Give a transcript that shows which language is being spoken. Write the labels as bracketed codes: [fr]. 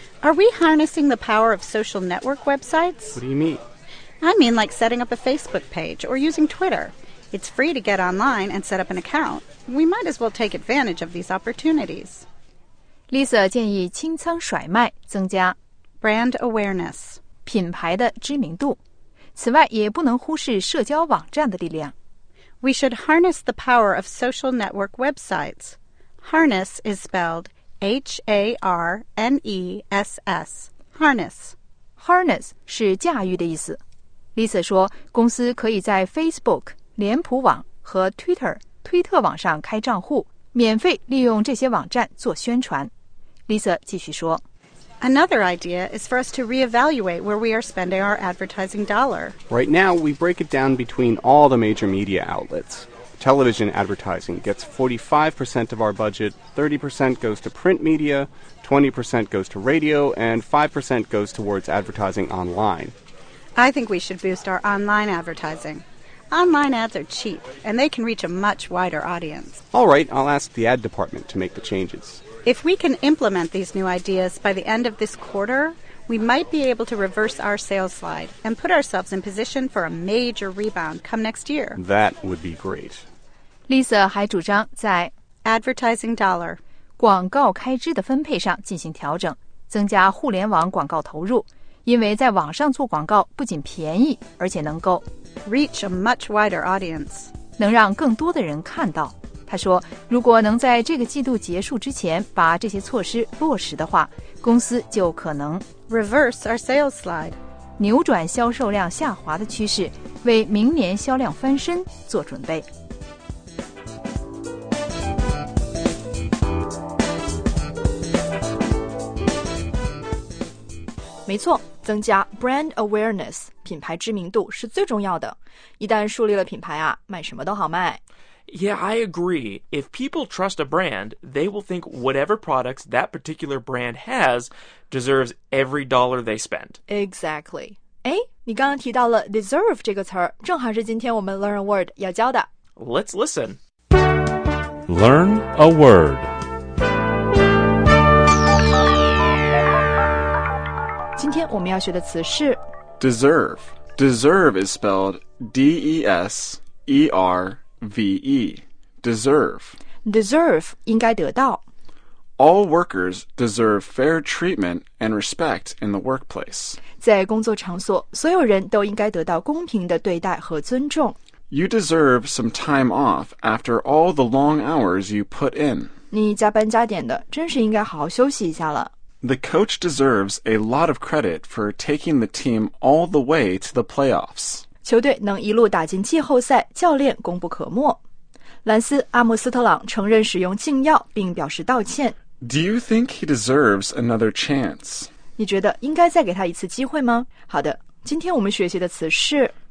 [en] Are we harnessing the power of social network websites? What do you mean? I mean like setting up a Facebook page or using Twitter. It's free to get online and set up an account. We might as well take advantage of these opportunities. [zh] Lisa 建议清仓甩卖，增加 [en] brand awareness [zh] 品牌的知名度。此外，也不能忽视社交网站的力量。 [en] We should harness the power of social network websites. Harness is spelled H-A-R-N-E-S-S. Harness. [zh] Harness 是驾驭的意思。Lisa 说，公司可以在 Facebook、脸谱网和 Twitter、推特网上开账户，免费利用这些网站做宣传。 Lisa 继续说。 [en] Another idea is for us to reevaluate where we are spending our advertising dollar. Right now, we break it down between all the major media outlets. Television advertising gets 45% of our budget, 30% goes to print media, 20% goes to radio, and 5% goes towards advertising online. I think we should boost our online advertising. Online ads are cheap, and they can reach a much wider audience. All right, I'll ask the ad department to make the changes. If we can implement these new ideas by the end of this quarter, we might be able to reverse our sales slide and put ourselves in position for a major rebound come next year. That would be great. [zh] Lisa 还主张在 [en] advertising dollar [zh] 广告开支的分配上进行调整，增加互联网广告投入，因为在网上做广告不仅便宜，而且能够 [en] reach a much wider audience [zh] 能让更多的人看到。他说，如果能在这个季度结束之前把这些措施落实的话，公司就可能 [en] reverse our sales slide [zh] 扭转销售量下滑的趋势，为明年销量翻身做准备。没错，增加 [en] brand awareness [zh] 品牌知名度是最重要的，一旦树立了品牌啊，卖什么都好卖。 [en] Yeah, I agree. If people trust a brand, they will think whatever products that particular brand has deserves every dollar they spend. Exactly. [zh] 哎，你刚刚提到了 deserve 这个词儿，正好是今天我们 [en] learn a word [zh] 要教的。 [en] Let's listen. Learn a word. [zh] 今天我们要学的词是 [en] deserve. Deserve is spelled D-E-S-E-R-V-E, deserve. [zh] Deserve, 应该得到。 [en] All workers deserve fair treatment and respect in the workplace. [zh] 在工作场所，所有人都应该得到公平的对待和尊重。 [en] You deserve some time off after all the long hours you put in. [zh] 你加班加点的，真是应该好好休息一下了。 [en] The coach deserves a lot of credit for taking the team all the way to the playoffs. [zh] 球队能一路打进季后赛，教练功不可没。兰斯·阿姆斯特朗承认使用禁药，并表示道歉。 [en] Do you think he deserves another chance? [zh] 你觉得应该再给他一次机会吗？好的，今天我们学习的词是